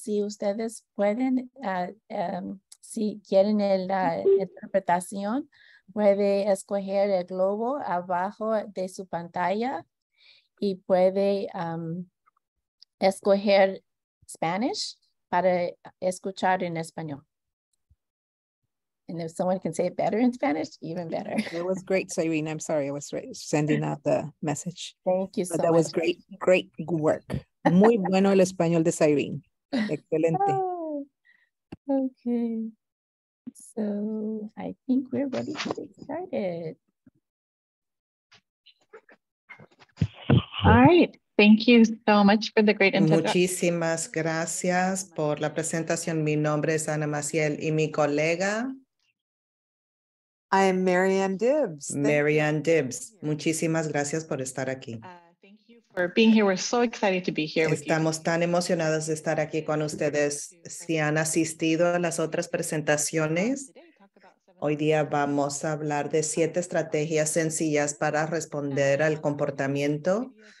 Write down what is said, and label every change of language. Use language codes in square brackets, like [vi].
[es] Si ustedes pueden, si quieren la interpretación, puede escoger el globo abajo de su pantalla y puede escoger Spanish para escuchar en español. [en] And if someone can say it better in Spanish, even better. That was great, Cyrene. I'm sorry, I was sending out the message. Thank you so much. But that was great, great work. [es] Muy bueno el español de Cyrene. Excelente. [en] Okay. So I think we're ready to get started. All right. Thank you so much for the great introduction. [es] Muchísimas gracias por la presentación. Mi nombre es Ana Maciel y mi colega. [en] I am Marianne Dibbs. Marianne Dibbs. [es] Muchísimas gracias por estar aquí. [en] Thank you for being here. We're so excited to be here. [es] Estamos tan emocionadas de estar aquí con ustedes. Si han asistido a las otras presentaciones, hoy día vamos a hablar de 7 estrategias sencillas para responder al comportamiento.